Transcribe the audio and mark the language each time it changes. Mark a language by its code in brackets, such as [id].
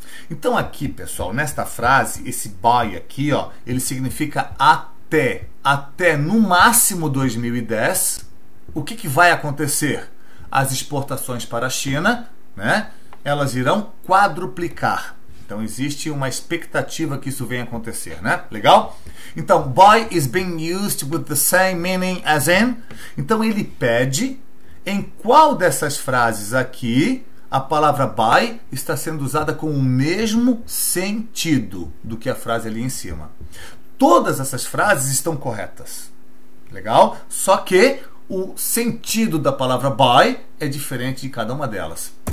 [pt] Então, aqui, pessoal, nesta frase, esse by aqui, ó, ele significa até no máximo 2010, o que que vai acontecer? As exportações para a China, né? Elas irão quadruplicar. Então, existe uma expectativa que isso venha a acontecer, né? Legal? [en] Então, by is being used with the same meaning as in. [pt] Então, ele pede em qual dessas frases aqui a palavra by está sendo usada com o mesmo sentido do que a frase ali em cima. Todas essas frases estão corretas. Legal? Só que o sentido da palavra by é diferente de cada uma delas.